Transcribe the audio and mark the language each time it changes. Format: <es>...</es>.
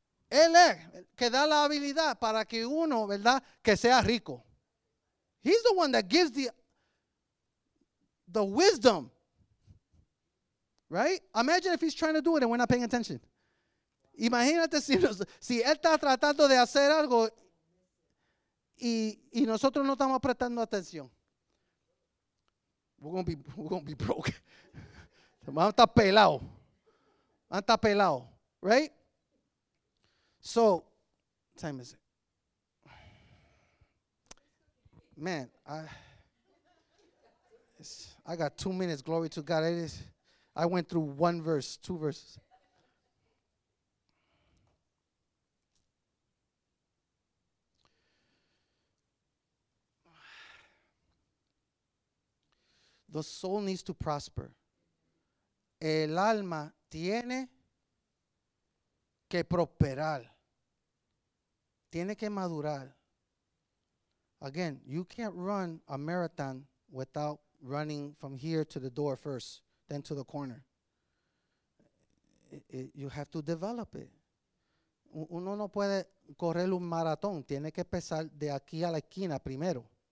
<es>Él es que da la habilidad para que uno, ¿verdad?, que sea rico.</es> <en>He's the one that gives the wisdom. Right? Imagine if he's trying to do it and we're not paying attention.</en> <es>Imagínate si él está tratando de hacer algo y nosotros no estamos prestando atención.</es> <en>We're gonna be broke.</en> <es>Vamos a estar pelado,</es> <en>right? So, what time is it? Man, I got 2 minutes. Glory to God. I went through one verse, two verses. The soul needs to prosper.</en> <es>El alma tiene que prosperar. Tiene que madurar.</es> <en>Again, you can't run a marathon without running from here to the door first, then to the corner. You have to develop it.</en> <es>Uno no puede correr un maratón. Tiene que empezar de aquí a la esquina primero.</es>